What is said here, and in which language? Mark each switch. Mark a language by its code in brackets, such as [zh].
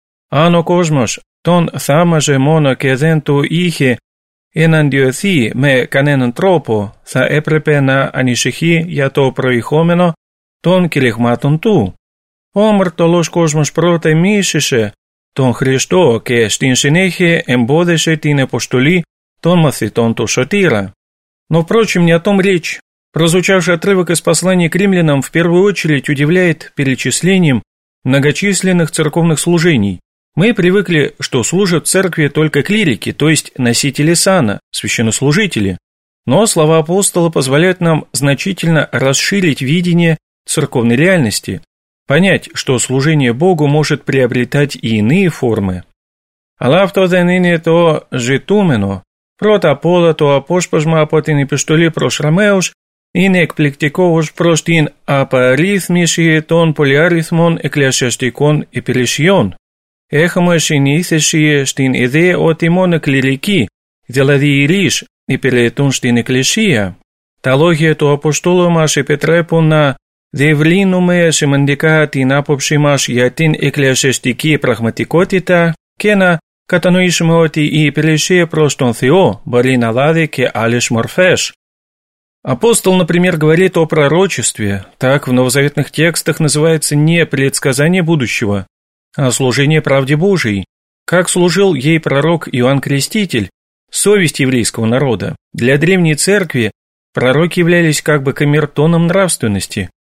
[el] Ано космос, тон θάμαζε μόνο και δεν του είχε εναντιωθεί με κανέναν τρόπο, θα έπρεπε να ανησυχεί για το προηγούμενο των κηρυγμάτων του. Ο αμαρτωλός κόσμος πρώτα μίσησε τον Χριστό και στην συνέχεια εμπόδισε την αποστολή των μαθητών του Σωτήρα. [ru] Но, впрочем, не о том речь. Прозвучавший отрывок из послания к римлянам в первую очередь удивляет перечислением многочисленных церковных служений. Мы привыкли, что служат в церкви только клирики, то есть носители сана, священнослужители. Но слова апостола позволяют нам значительно расширить видение церковной реальности, понять, что служение Богу может приобретать и иные формы. [el] Αλλά αυτό δεν είναι το ζητούμενο. Πρώτα απ' όλα το απόσπασμα από την επιστολή προς Ραμαίους είναι εκπληκτικό ως προς την απαρίθμιση των πολυάριθμων εκκλησιαστικών υπηρεσιών. Έχουμε συνήθιση στην ιδέα ότι μόνο κληρικοί, δηλαδή ιερείς, υπηρετούν στην Εκκλησία. Τα λόγια του Αποστόλου μας επιτρέπουν να διευρύνουμε σημαντικά την άποψή μας για την εκκλησιαστική πραγματικότητα και να κατανοήσουμε ότι η υπηρεσία προς τον Θεό μπορεί να λάβει και άλλες μορφές. [ru] Апостол, например, говорит о пророчестве, так в новозаветных текстах называется не предсказание будущего, а служение правде Божией, как служил ей пророк Иоанн Креститель, совесть еврейского народа. Для древней церкви пророки являлись как бы камертоном нравственности.